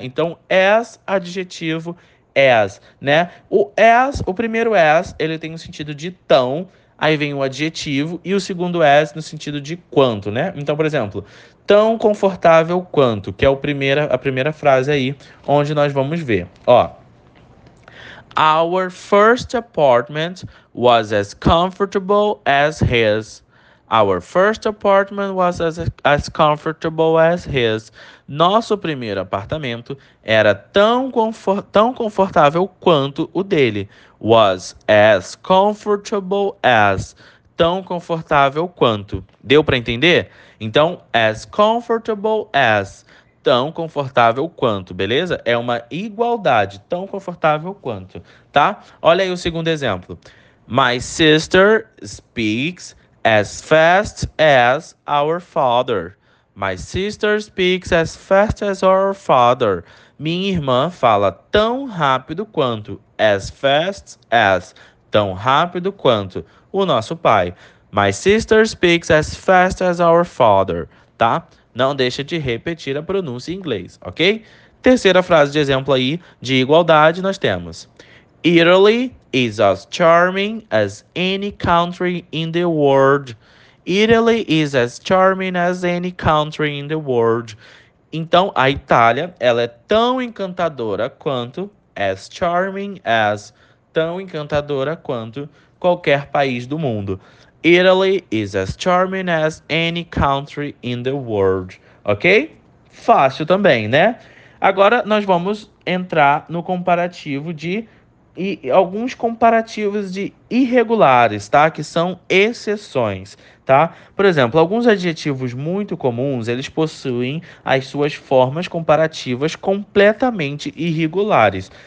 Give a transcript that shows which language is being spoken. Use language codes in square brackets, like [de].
[pt] Então, as, adjetivo, as, né? O as, o primeiro as, ele tem o sentido de tão, aí vem o adjetivo, e o segundo as no sentido de quanto, né? Então, por exemplo, tão confortável quanto, que é a primeira frase aí, onde nós vamos ver, ó. [en] Our first apartment was as comfortable as his. Our first apartment was as comfortable as his. [pt] Nosso primeiro apartamento era tão confortável quanto o dele. [en] Was as comfortable as. [pt] Tão confortável quanto. Deu para entender? Então, [en] as comfortable as. [pt] Tão confortável quanto, beleza? É uma igualdade. Tão confortável quanto, tá? Olha aí o segundo exemplo. [en] My sister speaks as fast as our father. My sister speaks as fast as our father. [pt] Minha irmã fala tão rápido quanto. [en] As fast as. [pt] Tão rápido quanto o nosso pai. [en] My sister speaks as fast as our father. [pt] Tá? Não deixa de repetir a pronúncia em inglês, ok? Terceira frase de exemplo aí de igualdade nós temos. [en] Italy is as charming as any country in the world. Italy is as charming as any country in the world. [pt] Então, a Itália, ela é tão encantadora quanto, [en] as charming as, [pt] tão encantadora quanto qualquer país do mundo. [en] Italy is as charming as any country in the world. [pt] Ok? Fácil também, né? Agora, nós vamos entrar no comparativo de e alguns comparativos de irregulares, tá? Que são exceções, tá? Por exemplo, alguns adjetivos muito comuns, eles possuem as suas formas comparativas completamente irregulares.